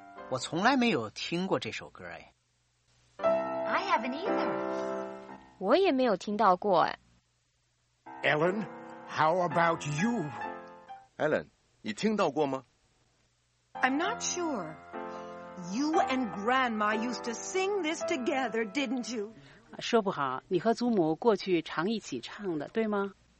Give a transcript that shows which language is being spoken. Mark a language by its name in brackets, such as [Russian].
[Chinese] 我从来没有听过这首歌哎。 [English] I haven't either. [Chinese] 我也没有听到过哎。 [English] Ellen, how about you? [Chinese] Ellen, 你听到过吗？ [English] I'm not sure. You and Grandma used to sing this together, didn't you? [Chinese] 说不好，你和祖母过去常一起唱的，对吗？